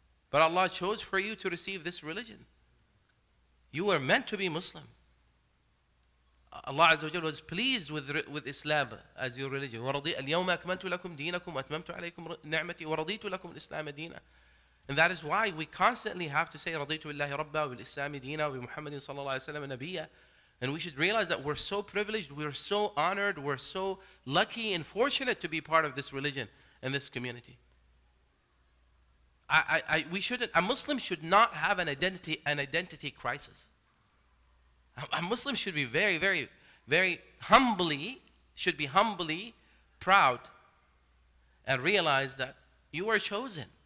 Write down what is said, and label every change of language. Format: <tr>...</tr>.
<en>But Allah chose for you to receive this religion. You were meant to be Muslim. Allah Azza wa Jalla was pleased with Islam as your religion.</en> <ar>وَرَضِيَ الْيَوْمَ أَكْمَلْتُ لَكُمْ دِينَكُمْ وَأَتْمَمْتُ عَلَيْكُمْ نِعْمَتِي وَرَضِيتُ لَكُمْ الْإِسْلَامَ دِينًا.</ar> <en>And that is why we constantly have to say</en> <ar>رَضِيتُ بِاللَّهِ رَبَّا وَبِالْإِسْلَامِ دِينًا وَبِمُحَمَّدٍ صَلَّى اللَّهُ عَلَيْهِ وَسَلَّمَ نَبِيًّا.</ar> <en>And we should realize that we're so privileged, we're so honored, we're so lucky and fortunate to be part of this religion and this community. A Muslim should not have an identity crisis. A Muslim should be very, very, very humbly, should be humbly proud and realize that you were chosen.</en>